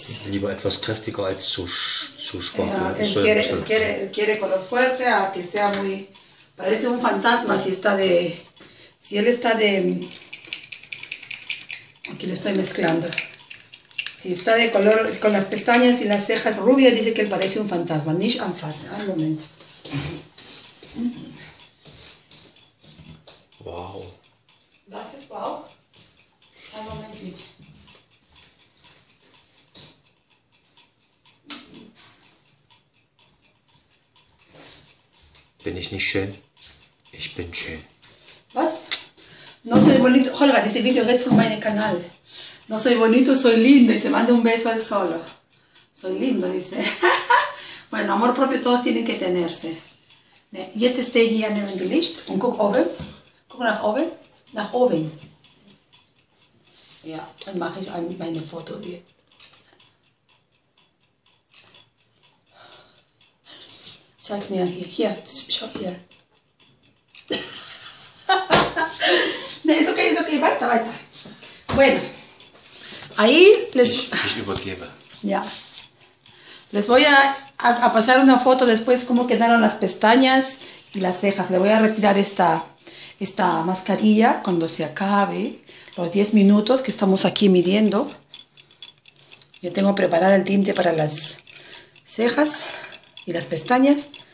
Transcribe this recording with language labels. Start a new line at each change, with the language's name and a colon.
German: Lieber etwas kräftiger als zu schwach.
Spanish: Él quiere color fuerte, a que sea muy. Parece un fantasma si está de. Si él está de. Aquí lo estoy mezclando. Si está de color con las pestañas y las cejas rubias, dice que él parece un fantasma.
German: Nicht anfassen,
Spanish: al momento. Wow.
German: Das ist wow. Ein Moment nicht. Bin ich nicht schön? Ich bin schön.
Spanish: Was? No soy bonito.
German: Holger, dieses Video geht von meinem Kanal.
Spanish: No soy bonito, soy lindo. Y se manda un beso al solo. Soy lindo, dice. Bueno, amor propio todos tienen que tenerse.
German: Jetzt stehe ich hier neben dem Licht und guck oben. Guck nach oben. Nach oben. Ja, dann mache ich meine Foto hier. Zeig mir hier. Hier, schau hier. Nee, ist okay, weiter. Bueno,
Spanish: ahí les...
German: Ich übergebe. Ja.
Spanish: Les voy a pasar una foto después cómo quedaron las pestañas y las cejas. Le voy a retirar esta mascarilla cuando se acabe los 10 minutos que estamos aquí midiendo. Ya tengo preparado el tinte para las cejas y las pestañas.